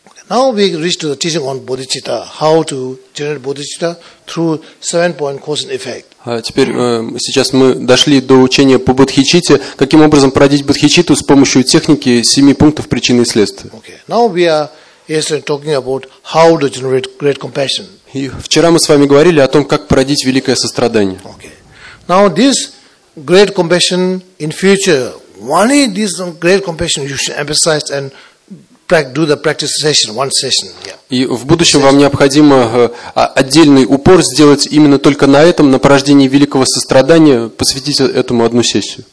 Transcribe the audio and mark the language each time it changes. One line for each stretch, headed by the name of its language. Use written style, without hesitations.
English: Now we reach to the teaching on bodhicitta, how to generate bodhicitta through 7-point cause and effect.
Russian: Теперь сейчас мы дошли до учения по бодхичитте, каким образом породить бодхичитту с помощью техники 7 пунктов причины и следствия.
English: Okay. Now we are yesterday talking about how to generate great compassion.
Russian: И вчера мы с вами говорили о том, как породить великое сострадание.
English: Okay. Now this great compassion in future, only this great compassion you should emphasize and do the practice session, one session. Yeah.
Russian: И в будущем вам необходимо отдельный упор сделать именно только на этом, на порождении великого сострадания, посвятить этому одну сессию.